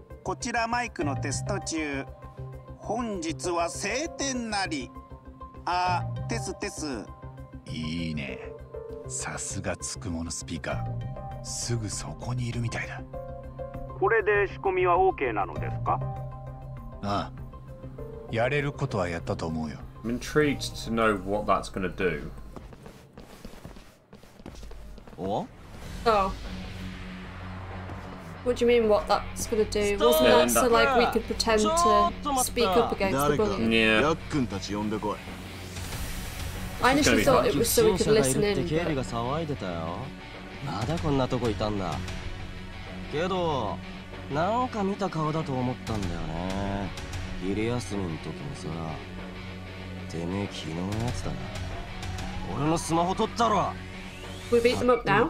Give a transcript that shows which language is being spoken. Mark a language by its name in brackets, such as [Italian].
[Japanese] こちらマイクのテスト中、本日は晴天なり。あ、テステス。いいね。さすがつくものスピーカー。すぐそこにいるみたいだ。これで仕込みは OK なのですか？ああ。やれることはやったと思うよ。 [English] I'm intrigued to know what that's gonna do. What? Oh. What do you mean, what that's gonna do? Wasn't that so, like, we could pretend to speak up against the bully? Yeah. I initially thought it was so we could listen in, but... [Japanese] 警備が騒いでたよ。まだこんなとこいたんだ。けど、なんか見た顔だと思ったんだよね。昼休みの時もさ。てめえ、昨日のやつだな。俺のスマホ取ったろ。 [English] We beat them up now?